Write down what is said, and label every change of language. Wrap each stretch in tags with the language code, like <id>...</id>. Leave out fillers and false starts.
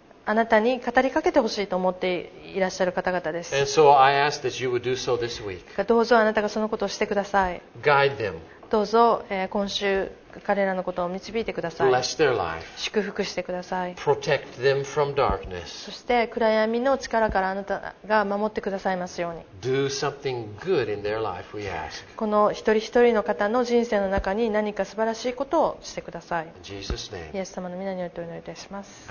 <ja>あなたに語りかけてほしいと思っていらっしゃる方々です。</ja> <en>So I ask that you would do so this week.</en> <ja>どうぞあなたがそのことをしてください。</ja> <en>Guide them.</en> <ja>どうぞ今週彼らのことを導いてください。</ja> <en>Bless their life.</en> <ja>祝福してください。</ja> <en>Protect them from darkness.</en> <ja>そして暗闇の力からあなたが守ってくださいますように。</ja> <en>Do something good in their life, we ask.</en> <ja>この一人一人の方の人生の中に何か素晴らしいことをしてください。</ja> <en>In Jesus' name.</en> <ja>イエス様の皆によってお祈りいたします。</ja>